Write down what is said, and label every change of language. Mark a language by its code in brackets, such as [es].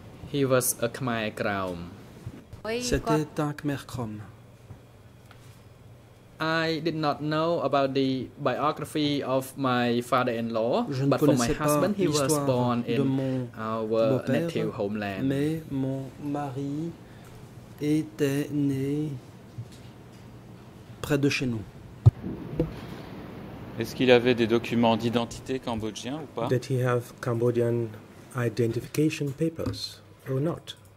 [en] He was a Khmer Krom. [fr] C'était un Khmer Krom. [en] I did not know about the biography of my father-in-law, but for my husband, he was born in our native homeland. [fr] Mais mon mari était né près de chez nous. Est-ce qu'il avait des documents d'identité cambodgien ou pas? [en] Did he have Cambodian identification papers or not?